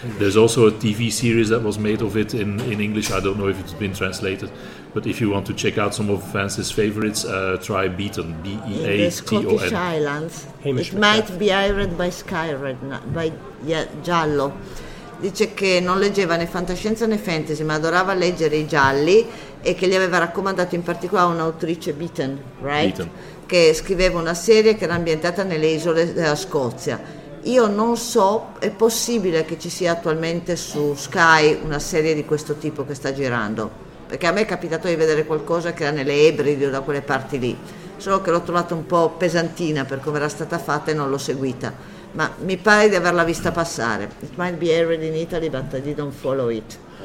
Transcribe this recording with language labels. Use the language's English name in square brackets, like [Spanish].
[English] There's also a TV series that was made of it in English. I don't know if it's been translated, but if you want to check out some of Vance's favorites, try Beaton, B-E-A-T-O-N. In the Scottish Highlands, might be hired by Skyred, Giallo. [Italian] Dice che non leggeva né fantascienza né fantasy, ma adorava leggere i gialli, e che gli aveva raccomandato in particolare un'autrice, Beaton, [English] right? [Italian] Beaton, che scriveva una serie che era ambientata nelle isole della Scozia. Io non so, è possibile che ci sia attualmente su Sky una serie di questo tipo che sta girando, perché a me è capitato di vedere qualcosa che era nelle Ebridi o da quelle parti lì, solo che l'ho trovata un po' pesantina per come era stata fatta e non l'ho seguita. Ma mi pare di averla vista passare. [English] It might be aired in Italy, but I didn't follow it.